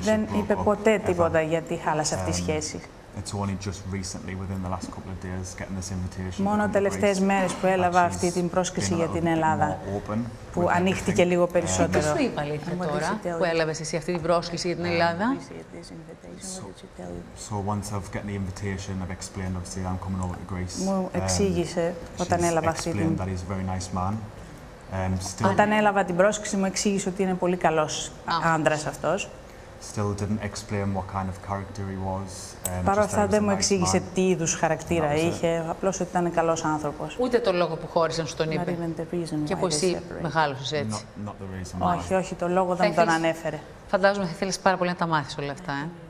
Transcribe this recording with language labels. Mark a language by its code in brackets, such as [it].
[el] Δεν είπε ποτέ τίποτα γιατί χάλασε αυτή η σχέση. [en] It's only just recently, within the last couple of days, getting this invitation. [el] Μόνο τελευταίες μέρες που έλαβα αυτή την πρόσκληση για την Ελλάδα, που ανοίχτηκε λίγο περισσότερο. Τι σου είπα αλήθεια τώρα, που έλαβες εσύ αυτή την πρόσκληση για την Ελλάδα? [en] So once I've gotten the invitation, I've explained, obviously, I'm coming over to Greece. [el] Μου εξήγησε όταν έλαβα αυτή την... [en] She's explained that he's a very nice man. [el] Όταν έλαβα την πρόσκληση, μου εξήγησε ότι είναι πολύ καλός άντρας αυτός. [en] Still didn't explain what kind of character he was. [el] Παρ' όλα αυτά δεν μου εξήγησε τι είδους χαρακτήρα είχε, απλώς ότι ήταν καλός άνθρωπος. Ούτε το λόγο που χώρισαν σου τον είπε. Και πως εσύ μεγάλωσες έτσι. Όχι, το λόγο δεν τον ανέφερε. Φαντάζομαι θα ήθελες πάρα πολύ να τα μάθεις όλα αυτά.